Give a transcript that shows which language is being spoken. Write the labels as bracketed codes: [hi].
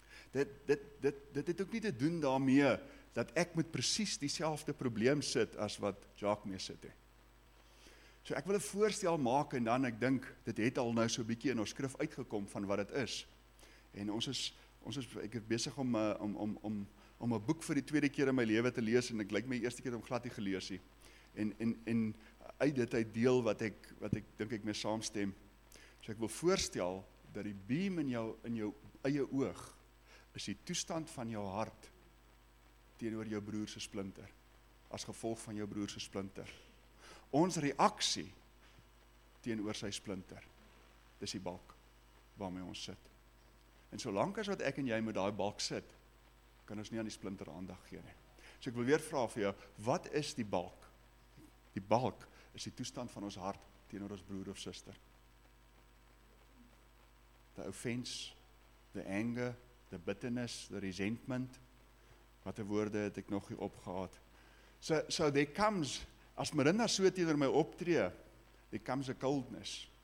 [af] Dit het ook nie te doen daarmee dat ek met presies dieselfde probleem sit as wat Jacques mee sit. So ek wil 'n voorstel maak en dan ek dink dit het al nou so 'n bietjie in ons skrif uitgekom van wat dit is. En ons is ek is besig om om 'n boek vir die tweede keer in my lewe te lees en ek lyk my eerste keer om glad nie gelees nie. En uit dit uit deel wat ek dink ek mee saamstem. So ek wil voorstel dat die beam in jou eie oog is die toestand van jou hart teenoor jou broer se splinter as gevolg van jou broer se splinter. Ons reaksie teenoor sy splinter. Dis die balk waarmee ons sit. En solank as wat ek en jy met daai balk sit, kan ons nie aan die splinter aandag gee nie. So ek wil weer vra vir jou, wat is die balk? Die balk is die toestand van ons hart teenoor ons broer of suster. [en] The offense, the anger, the bitterness, the resentment. [af] Watter woorde het ek nog hier opgehaat? [en] So there comes, [af] as Marinda so teenoor my optree, [en] there comes a coldness.